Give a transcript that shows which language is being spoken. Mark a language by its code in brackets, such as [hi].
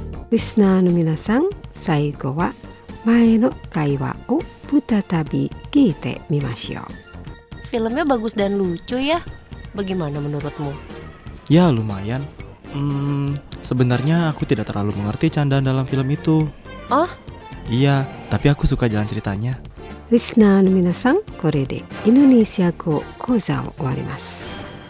[ja] リスナーの皆さん、最後は前の会話を再び聞いてみましょう。 [id] Filmnya bagus dan lucu ya. Bagaimana menurutmu? Ya, lumayan. Sebenarnya aku tidak terlalu mengerti candaan dalam film itu. Oh? Iya, tapi aku suka jalan ceritanya. [ja] リスナーの皆さん、これでインドネシア語講座を終わります。